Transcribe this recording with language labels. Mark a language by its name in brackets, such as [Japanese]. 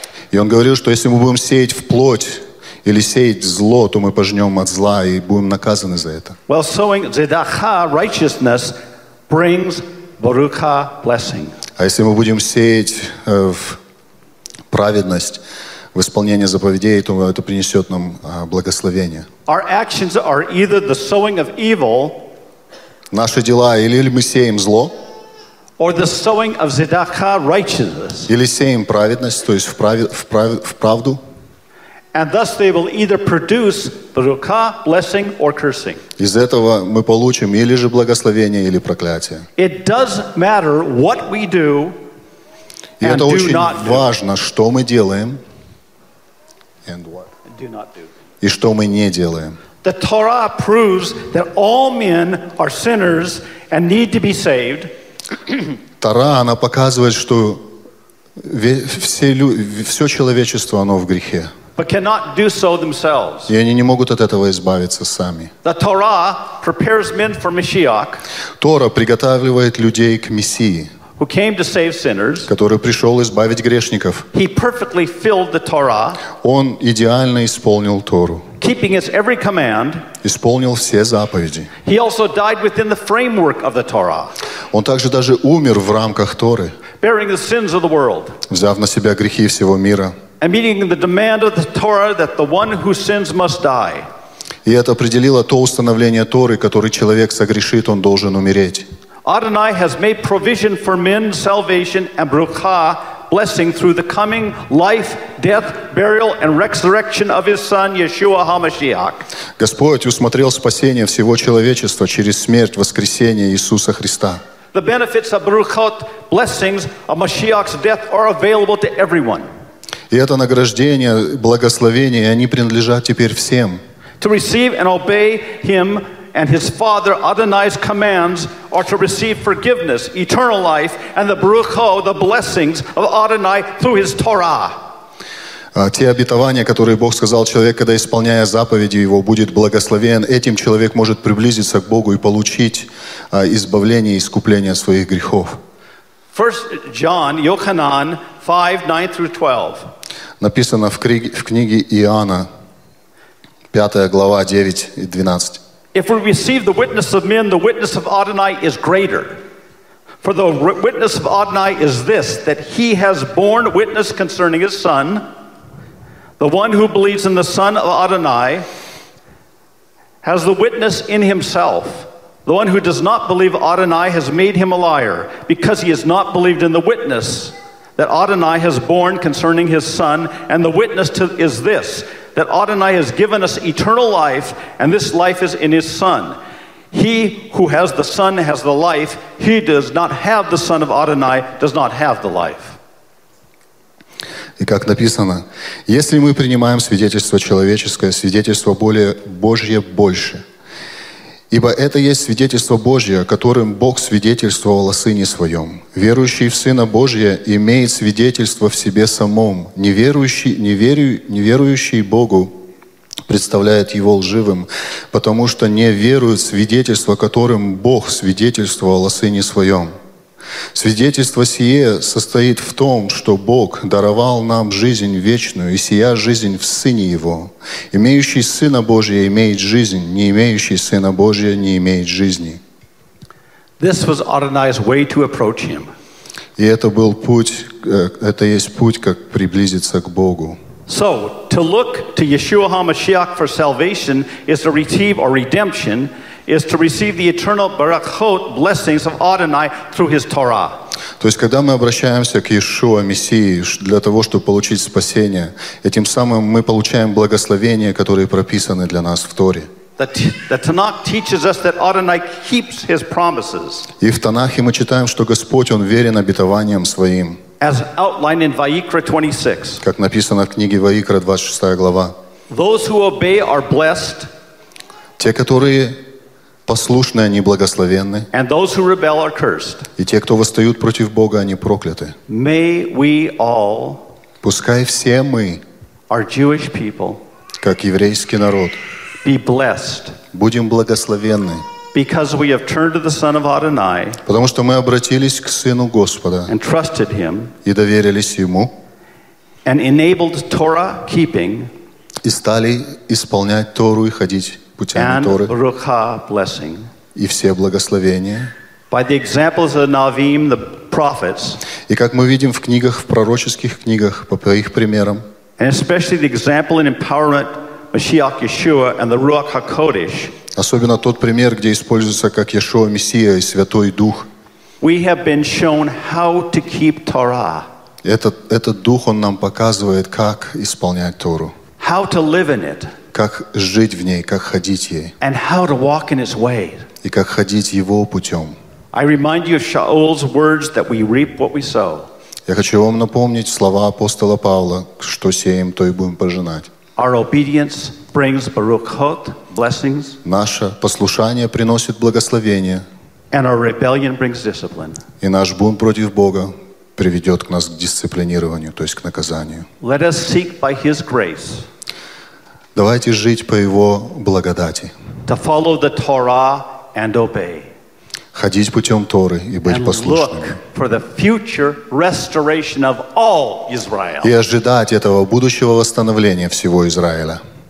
[Russian] И он говорил, что если мы будем сеять в плоть или сеять зло, то мы пожнем от зла и будем наказаны за это. [English] Well, sowing zedakha, righteousness, brings baruka, blessing. [Russian] А если мы будем сеять в праведность, в исполнение заповедей, то это принесет нам благословение. [English] Our actions are either the sowing of evil, [Russian] наши дела, или мы сеем зло, [English] or the sowing of zedakah, righteousness, [Russian] или сеем праведность, то есть в правду. [English] And thus they will either produce barakah, blessing, or cursing. [Russian] Из этого мы получим или же благословение, или проклятие. [English] It does matter what we do and do not do. [Russian] И это очень важно, что мы делаем [English] and what. Do not do. [Russian] И что мы не делаем. [English] The Torah proves that all men are sinners and need to be saved. [Russian] Тора, она показывает, что все человечество, оно в грехе. [English] But cannot do so themselves. [Russian] И они не могут от этого избавиться сами. [English] The Torah prepares men for Mashiach. [Russian] Тора приготавливает людей к Мессии. [English] Who came to save sinners. [Russian] Который пришел избавить грешников. [English] He perfectly filled the Torah. [Russian] Он идеально исполнил Тору. [English] Keeping its every command. [Russian] Исполнил все заповеди. [English] He also died within the framework of the Torah. [Russian] Он также даже умер в рамках Торы. [English] Bearing the sins of the world. [Russian] Взяв на себя грехи всего мира. [English] And meeting the demand of the Torah that the one who sins must die. [Russian] И это определило то установление Торы, который человек согрешит, он должен умереть. [English] Adonai has made provision for men's salvation and bracha, blessing through the coming life, death, burial, and resurrection of His Son Yeshua HaMashiach. [Russian] Господь усмотрел спасение всего человечества через смерть, воскресение Иисуса Христа. [English] The benefits of bruchot, blessings of Mashiach's death, are available to everyone. [Russian] И это награждение, благословение, они принадлежат теперь всем. [English] To receive and obey him and his father Adonai's commands are to receive forgiveness, eternal life, and the brachot, the blessings of Adonai through his Torah. [Russian] Те обетования, которые Бог сказал человеку, когда исполняя заповеди его, будет благословен, этим человек может приблизиться к Богу и получить избавление и искупление своих грехов. [English] 1 John, Yochanan 5, 9 through 12. [Russian] Написано в книге Иоанна, 5 глава, 9 и 12. [English] If we receive the witness of men, the witness of Adonai is greater. For the witness of Adonai is this, that he has borne witness concerning his son. The one who believes in the son of Adonai has the witness in himself. The one who does not believe Adonai has made him a liar, because he has not believed in the witness that Adonai has borne concerning his son. And the witness is this, that Adonai has given us eternal life, and this life is in his son. He who has the son has the life. He does not have the son of Adonai, does not have the life. [Russian] И как написано, если мы принимаем свидетельство человеческое, свидетельство более Божье больше. Ибо это есть свидетельство Божье, которым Бог свидетельствовал о Сыне Своем. Верующий в Сына Божия имеет свидетельство в себе самом. Неверующий Богу представляет Его лживым, потому что не верует в свидетельство, которым Бог свидетельствовал о Сыне Своем. Свидетельство сие состоит в том, что Бог даровал нам жизнь вечную, и сия жизнь в Сыне Его. Имеющий Сына Божия имеет жизнь, не имеющий Сына Божия не имеет жизни. [English] This was Adonai's way to approach him. [Russian] И это был путь, это есть путь, как приблизиться к Богу. [English] So, to look to Yeshua HaMashiach for salvation is to receive or redemption, is to receive the eternal barakot, blessings of Adonai through his Torah. [Russian] То есть, когда мы обращаемся к Иешуа, Мессии, для того, чтобы получить спасение, этим самым мы получаем благословения, которые прописаны для нас в Торе. [English] The Tanakh teaches us that Adonai keeps his promises. [Russian] И в Танахе мы читаем, что Господь, Он верен обетованиям Своим. [English] As outlined in Vayikra 26. [Russian] Как написано в книге Ваикра, 26 глава. [English] Those who obey are blessed. [Russian] Те, которые послушны, они благословенны. [English] And those who rebel are cursed. [Russian] И те, кто восстают против Бога, они прокляты. [English] May we all, [Russian] пускай все мы, [English] our Jewish people, [Russian] как еврейский народ, [English] be blessed, [Russian] будем благословенны, [English] because we have turned to the Son of Adonai, [Russian] потому что мы обратились к Сыну Господа, [English] and trusted him, [Russian] и доверились Ему, [English] and enabled Torah keeping, [Russian] и стали исполнять Тору и ходить [English] and barucha blessing, [Russian] и все благословения, [English] by the examples of the Navim, the prophets, [Russian] и как мы видим в книгах, в пророческих книгах, по их примерам, [English] and especially the example and empowerment Mashiach Yeshua and the Ruach HaKodesh, [Russian] особенно тот пример, где используется как Иешуа Мессия и Святой Дух, [English] we have been shown how to keep Torah. [Russian] Этот Дух, Он нам показывает, как исполнять Тору. [English] How to live in it. [Russian] Как жить в ней, как ходить ей. [English] And how to walk in His way. [Russian] И как ходить Его путем. [English] I remind you of Shaul's words that we reap what we sow. [Russian] Я хочу вам напомнить слова апостола Павла, что сеем, то и будем пожинать. [English] Our obedience brings baruchot, blessings. [Russian] Наше послушание приносит благословение. [English] And our rebellion brings discipline. [Russian] И наш бунт против Бога приведет к нас к дисциплинированию, то есть к наказанию. [English] Let us seek by His grace. [Russian] Давайте жить по Его благодати. [English] To follow the Torah and obey. [Russian] Ходить путем Торы и быть [English] and [Russian] послушными. [English] Look for the future restoration of all Israel. [Russian] И ожидать этого будущего восстановления всего Израиля.